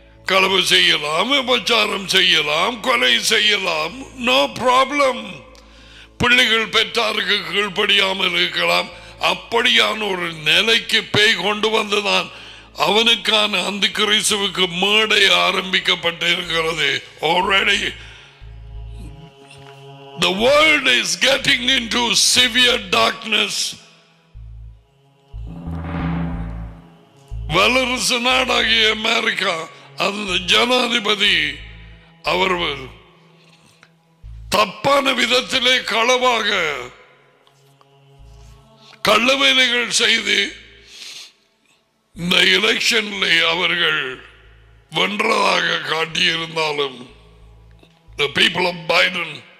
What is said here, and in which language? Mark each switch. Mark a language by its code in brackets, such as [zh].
[ta] களவு செய்யலாம், உபச்சாரம் செய்யலாம், கொலை செய்யலாம், [en] No problem. [ta] பிள்ளைகள் பெற்றாருக்கு கீழ்படியாமல் இருக்கலாம். அப்படியான ஒரு நிலைக்கு பேய் கொண்டு வந்துதான் அவனுக்கான அந்த கிறிஸ்துவுக்கு மேடை ஆரம்பிக்கப்பட்டு இருக்கிறது. [en] Already the world is getting into severe darkness. [ta] வல்லரசு நாடாகிய அமெரிக்கா அந்த ஜனாதிபதி அவர் தப்பான விதத்திலே களவாக கள்ள வேலைகள் செய்து இந்த எலெக்ஷன்ல அவர்கள் வென்றதாக காட்டியிருந்தாலும் [en] the people of Biden